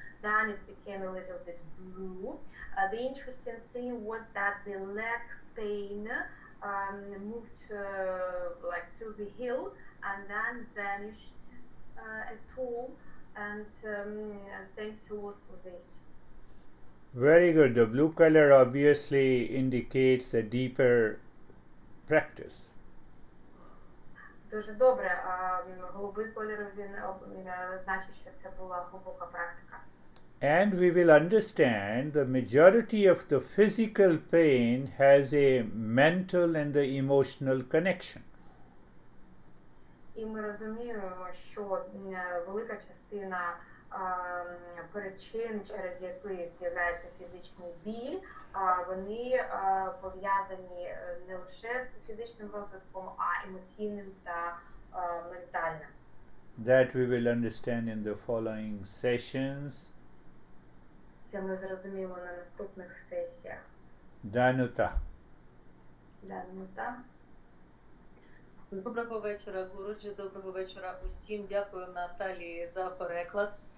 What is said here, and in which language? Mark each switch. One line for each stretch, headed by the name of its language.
English: Then it became a little bit blue. The interesting thing was that the leg pain moved like to the heel and then vanished at all. And thanks a lot for this. Very good. The blue color obviously indicates a deeper practice.
Ukrainian: Дуже добре. Голубий колір, він значить, що це була глибока практика.
English: And we will understand the majority of the physical pain has a mental and the emotional connection.
Ukrainian: І ми розуміємо, що велика частина причин, через які з'являється фізичний біль, вони пов'язані не лише з фізичним розвитком, а емоційним та ментальним.
English: That we will understand in the following sessions.
Ukrainian: Це ми зрозуміємо на наступних сесіях. Данута. Данута. Доброго вечора, Гуруджі, доброго вечора усім. Дякую, Наталі, за переклад.